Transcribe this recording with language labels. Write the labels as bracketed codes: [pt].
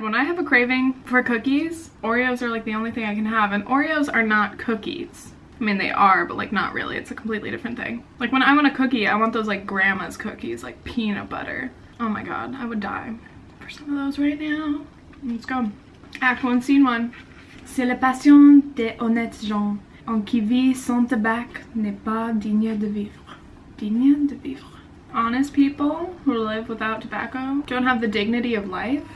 [en] When I have a craving for cookies, Oreos are, like, the only thing I can have. And Oreos are not cookies. I mean, they are, but, like, not really. It's a completely different thing. Like, when I want a cookie, I want those, like, grandma's cookies, like peanut butter. Oh my god, I would die for some of those right now. Let's go. Act 1, scene 1. [fr] C'est la passion des honnêtes gens. En qui vit sans tabac n'est pas digne de vivre. Digne de vivre. [en] Honest people who live without tobacco don't have the dignity of life.